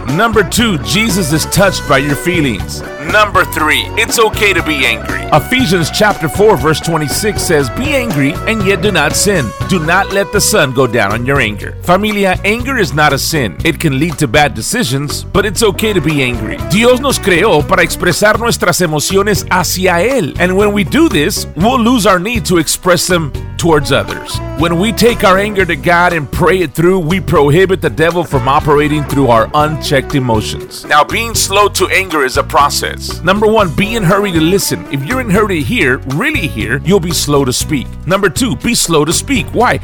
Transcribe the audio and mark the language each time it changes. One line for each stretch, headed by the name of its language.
English: Number two, Jesus is touched by your feelings. Number three, it's okay to be angry. Ephesians chapter 4, verse 26 says, be angry and yet do not sin. Do not let the sun go down on your anger. Familia, anger is not a sin. It can lead to bad decisions, but it's okay to be angry.
Spanish: Dios nos creó para expresar nuestras emociones hacia Él.
English: And when we do this, we'll lose our need to express them towards others. When we take our anger to God and pray it through, we prohibit the devil from operating through our unchecked emotions. Now, being slow to anger is a process. Number one, be in hurry to listen. If you're in hurry to hear, really hear, you'll be slow to speak. Number two, be slow to speak. Why?